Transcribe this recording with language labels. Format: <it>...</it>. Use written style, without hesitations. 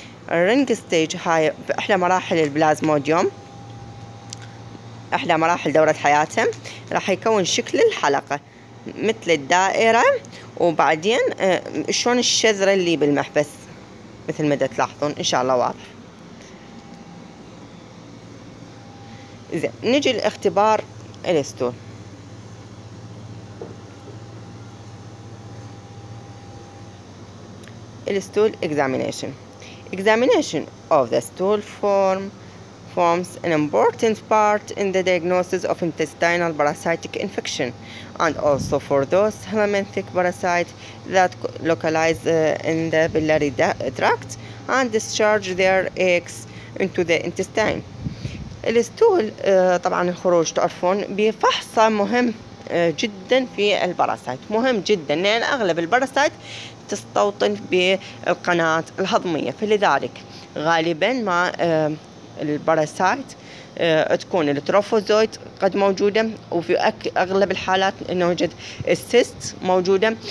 <ar>الرينج ستيج هاي أحلى مراحل البلازموديوم، أحلى مراحل دورة حياته، راح يكون شكل الحلقة مثل الدائرة، وبعدين شلون الشذرة اللي بالمحبس مثل ما تلاحظون إن شاء الله واضح. إذا نجي لاختبار الستول، الستول</ar> <en>examination، examination of the stool form forms an important part in the diagnosis of intestinal parasitic infection and also for those helminthic parasites that localize in the biliary tract and discharge their eggs into the intestine.</en> <ar>الستول طبعا الخروج تعرفون بفحصة مهم جدا في الباراسايت، مهم جدا لان اغلب الباراسايت تستوطن بالقناة الهضمية، فلذلك غالبا ما الباراسايت تكون التروفوزويت قد موجودة، وفي اغلب الحالات نوجد السيست موجودة.</ar>